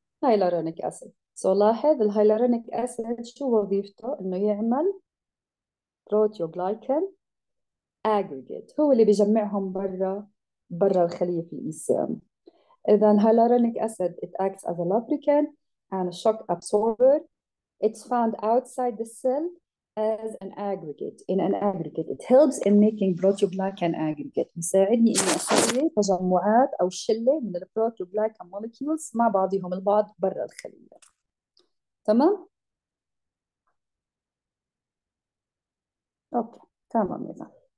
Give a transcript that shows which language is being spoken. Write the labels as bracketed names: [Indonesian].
[Arabic] هايلارونيك أسيد. سو لاحظ الهايلارونيك أسيد شو وظيفته؟ إنه يعمل بروتيوغلايكان أجريجيت، هو اللي بيجمعهم برا برا الخلية في الإي سي إم. إذا الهايلارونيك أسيد [English] it acts as a lubricant and a shock absorber. It's found outside the cell as an aggregate. In an aggregate, it helps in making proteoglycan aggregate. [Arabic] يساعدني إني أسوي تجمعات أو شلة من البروتوغلايكان مولكيولز مع بعضهم البعض برا الخلية. تمام؟ أوكي، تمام إذا.